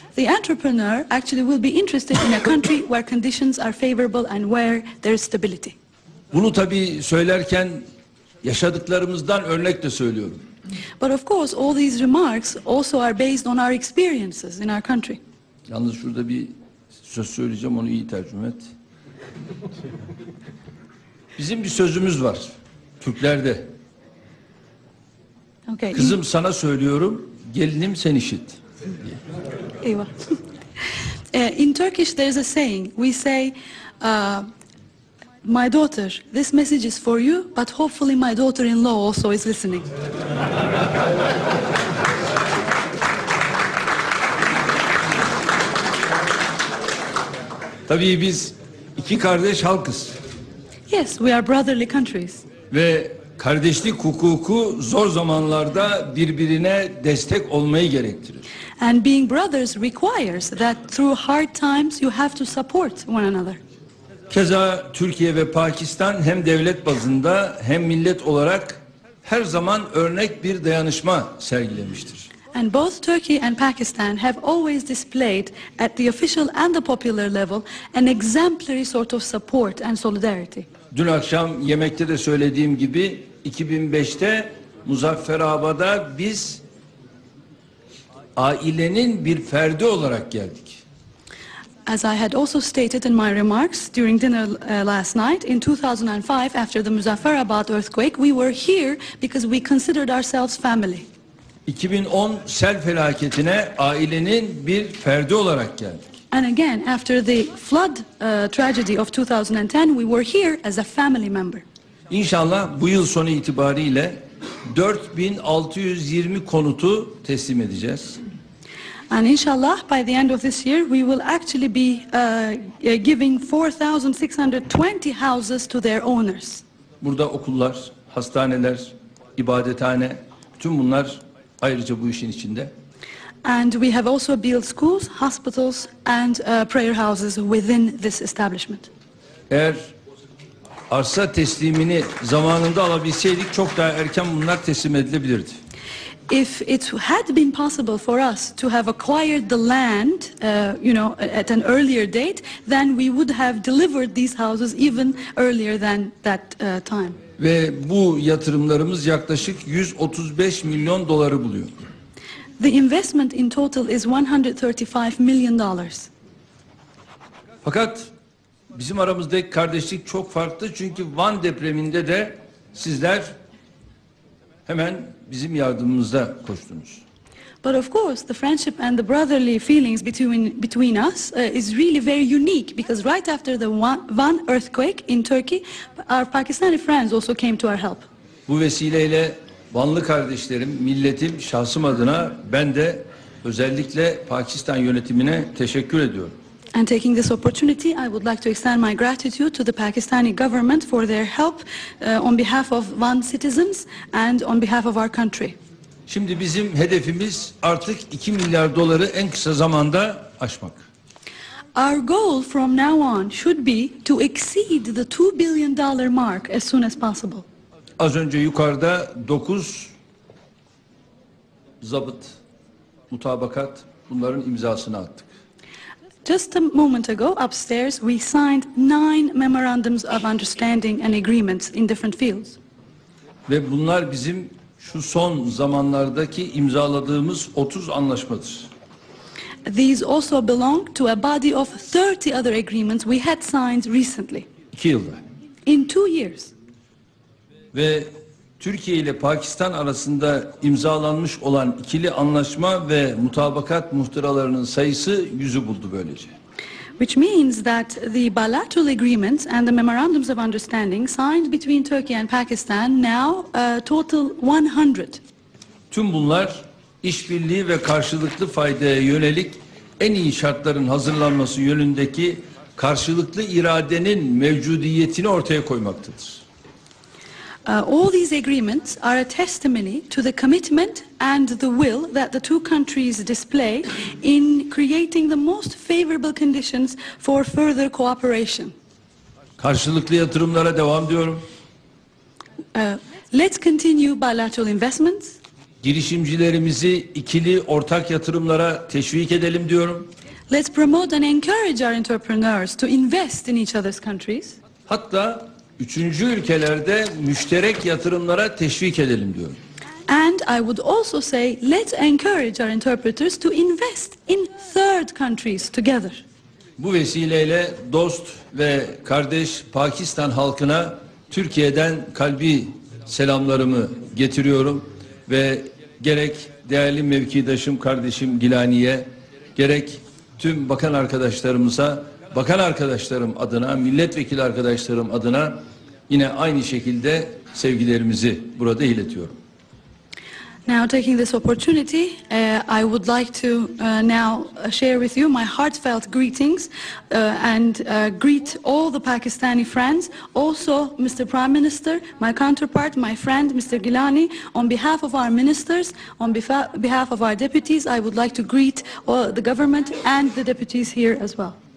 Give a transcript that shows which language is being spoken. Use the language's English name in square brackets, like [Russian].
[English] The entrepreneur actually will be interested in a country where conditions are favorable and where there is stability. [Turkish] Bunu tabii söylerken yaşadıklarımızdan örnek de söylüyorum. [English] But of course all these remarks also are based on our experiences in our country. [Turkish] Yalnız şurada bir söz söyleyeceğim, onu iyi tercüme et. Bizim bir sözümüz var Türklerde. [English] Okay. [Turkish] Kızım sana söylüyorum, gelinim sen işit. Eyvah. [English] In Turkish there is a saying. We say my daughter, this message is for you, but hopefully my daughter-in-law also is listening. [Turkish] Tabii biz iki kardeş halkız. [English] Yes, we are brotherly countries. [Turkish] Ve kardeşlik hukuku zor zamanlarda birbirine destek olmayı gerektirir. [English] And being brothers requires that through hard times you have to support one another. [Turkish] Keza Türkiye ve Pakistan hem devlet bazında hem millet olarak her zaman örnek bir dayanışma sergilemiştir. [English] And both Turkey and Pakistan have always displayed at the official and the popular level an exemplary sort of support and solidarity. [Turkish] Dün akşam yemekte de söylediğim gibi 2005'te Muzafferabad'a biz ailenin bir ferdi olarak geldik. [English] As I had also stated in my remarks during dinner last night, in 2005, after the Muzaffarabad earthquake, we were here because we considered ourselves family. [Turkish] 2010 sel felaketine ailenin bir ferdi olarak geldik. [English] And again, after the flood tragedy of 2010, we were here as a family member. [Turkish] İnşallah bu yıl sonu itibariyle 4620 konutu teslim edeceğiz. [English] And inshallah, by the end of this year, we will actually be giving 4,620 houses to their owners. [Turkish] Burada okullar, hastaneler, ibadethane, tüm bunlar ayrıca bu işin içinde. [English] And we have also built schools, hospitals and prayer houses within this establishment. [Turkish] Eğer arsa teslimini zamanında alabilseydik, çok daha erken bunlar teslim edilebilirdi. [English] If it had been possible for us to have acquired the land, you know, at an earlier date, then we would have delivered these houses even earlier than that time. [Turkish] Ve bu yatırımlarımız yaklaşık 135 milyon doları buluyor. [English] The investment in total is $135 million. [Turkish] Fakat bizim aramızdaki kardeşlik çok farklı, çünkü Van depreminde de sizler hemen bizim yardımımıza koştunuz. [English] But of course the friendship and the brotherly feelings between us is really very unique, because right after the Van earthquake in Turkey, our Pakistani friends also came to our help. [Turkish] Bu vesileyle Vanlı kardeşlerim, milletim, şahsım adına ben de özellikle Pakistan yönetimine teşekkür ediyorum. [English] And taking this opportunity, I would like to extend my gratitude to the Pakistani government for their help on behalf of Van citizens and on behalf of our country. [Turkish] Şimdi bizim hedefimiz artık 2 milyar doları en kısa zamanda aşmak. [English] Our goal from now on should be to exceed the $2 billion mark as soon as possible. [Turkish] Az önce yukarıda 9 zabıt, mutabakat, bunların imzasını attık. [English] Just a moment ago, upstairs, we signed 9 memorandums of understanding and agreements in different fields. [Turkish] Ve bunlar bizim şu son zamanlardaki imzaladığımız 30 anlaşmadır. [English] These also belong to a body of 30 other agreements we had signed recently. [Turkish] 2 yılda. [English] In 2 years. [Turkish] Ve Türkiye ile Pakistan arasında imzalanmış olan ikili anlaşma ve mutabakat muhtıralarının sayısı 100'ü buldu böylece. [English] Which means that the bilateral agreements and the memorandums of understanding signed between Turkey and Pakistan now total 100. [Turkish] Tüm bunlar işbirliği ve karşılıklı faydaya yönelik en iyi şartların hazırlanması yönündeki karşılıklı iradenin mevcudiyetini ortaya koymaktadır. [English] All these agreements are a testimony to the commitment and the will that the two countries display in creating the most favorable conditions for further cooperation. [Turkish] Karşılıklı yatırımlara devam diyorum. [English] Let's continue bilateral investments. [Turkish] Girişimcilerimizi ikili ortak yatırımlara teşvik edelim diyorum. [English] Let's promote and encourage our entrepreneurs to invest in each other's countries. [Turkish] Hatta üçüncü ülkelerde müşterek yatırımlara teşvik edelim diyorum. [English] And I would also say let's encourage our entrepreneurs to invest in third countries together. [Turkish] Bu vesileyle dost ve kardeş Pakistan halkına Türkiye'den kalbi selamlarımı getiriyorum ve gerek değerli mevkidaşım kardeşim Gilani'ye, gerek tüm bakan arkadaşlarımıza, bakan arkadaşlarım adına, milletvekili arkadaşlarım adına yine aynı şekilde sevgilerimizi burada iletiyorum. [English] Now taking this opportunity, I would like to now share with you my heartfelt greetings and greet all the Pakistani friends, also Mr. Prime Minister, my counterpart, my friend Mr. Gilani, on behalf of our ministers, on behalf of our deputies, I would like to greet all the government and the deputies here as well.